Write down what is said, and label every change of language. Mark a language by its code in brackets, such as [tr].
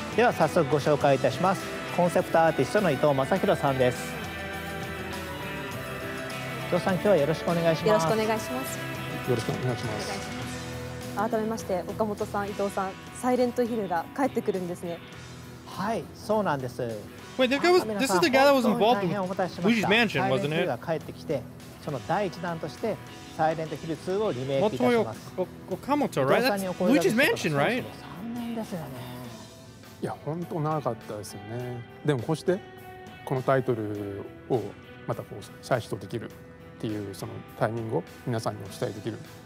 [ja] では早速ご紹介いたします。コンセプトアーティストの伊藤正弘さんです。伊藤さん、今日はよろしくお願いします。よろしくお願いします。よろしくお願いします。改めまして岡本さん伊藤さん、サイレントヒルが帰ってくるんですね。はい、そうなんです。 [en] Wait, that guy was, this is the guy that was involved in Luigi's Mansion, wasn't it? [ja] サイレントヒルが帰ってきて、その第一弾としてサイレントヒル2をリメイクいたします。 [en] 岡本さん、right? That's Luigi's Mansion, right? [ja] 3年ですよね。いや、本当長かったですよね。でもこうしてこのタイトルをまたこう再始動できるっていうそのタイミングを皆さんにお伝えできる。